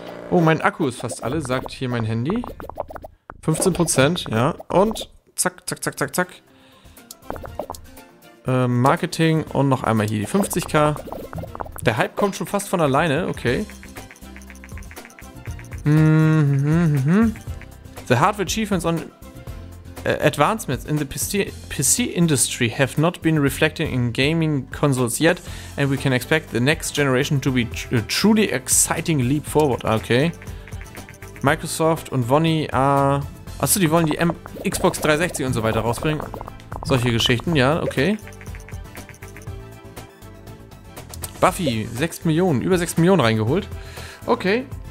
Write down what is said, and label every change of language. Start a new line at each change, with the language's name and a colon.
German: Oh, mein Akku ist fast alle, sagt hier mein Handy. 15%, ja. Und zack, zack, zack, zack, zack. Marketing und noch einmal hier die 50.000. Der Hype kommt schon fast von alleine, okay.
English: The hardware achievements on advancements in the PC industry have not been reflected in gaming consoles yet, and we can expect the next generation to be a truly exciting leap forward. Okay.
German: Microsoft und Vonny, achso, die wollen die Xbox 360 und so weiter rausbringen. Solche Geschichten, ja, okay. Buffy, 6 Millionen, über 6 Millionen reingeholt. Okay.